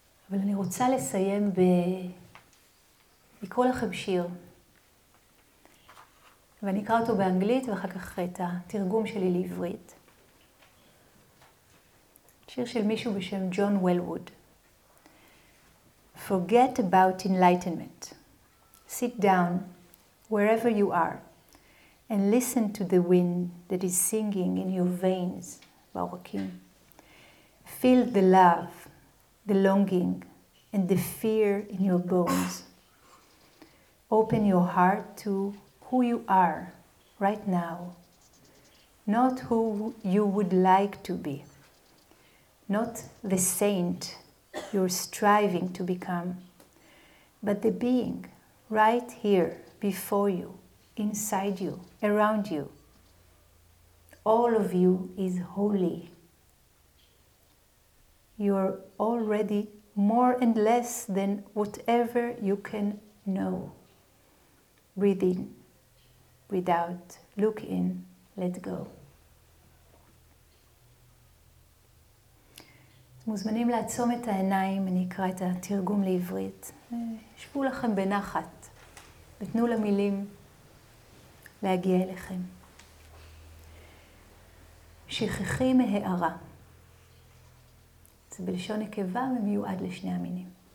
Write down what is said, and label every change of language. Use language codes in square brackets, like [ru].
[he] אבל אני רוצה לסיים לקרוא לכם שיר. ואני אקרא אותו באנגלית ואחר כך את התרגום שלי לעברית. שיר של מישהו בשם ג'ון וולווד. [en] Forget about enlightenment. Sit down, wherever you are, and listen to the wind that is singing in your veins, Baurakim. Feel the love, the longing, and the fear in your bones. Open your heart to who you are right now, not who you would like to be, not the saint you're striving to become, but the being right here, before you, inside you, around you. All of you is holy. You are already more and less than whatever you can know. Breathe in, breathe out, look in, let go. [he] מוזמנים לעצום את העיניים, אני אקרא את התרגום לעברית. שבו לכם בנחת. ותנו למילים להגיע אליכם. שכחי מהערה. זה בלשון נקבה ומיועד לשני המינים.